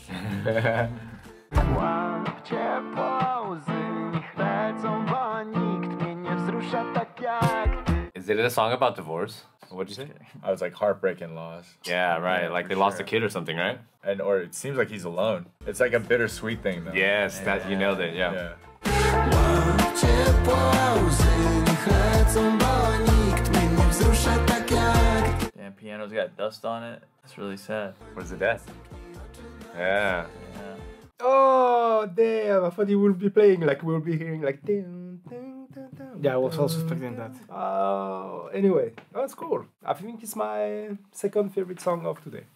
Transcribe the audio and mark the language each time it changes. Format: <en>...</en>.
<en>Is it a song about divorce? What'd you say? I was like, heartbreak and loss. Yeah, right. Like, they lost a kid or something, right? And or it seems like he's alone. It's like a bittersweet thing, though. Yes, that you nailed it. Yeah.</en> <pl>ciepło, łzy niech lecą, bo nikt mnie nie wzrusza tak jak...</pl> <en>Damn, piano's got dust on it. That's really sad. What is the dust? Yeah. Oh, damn, I thought he would be playing, like, we'll be hearing, like, ding, ding, ding, ding. Yeah, I was also expecting that. Anyway, that's cool. I think it's my second favorite song of today.</en>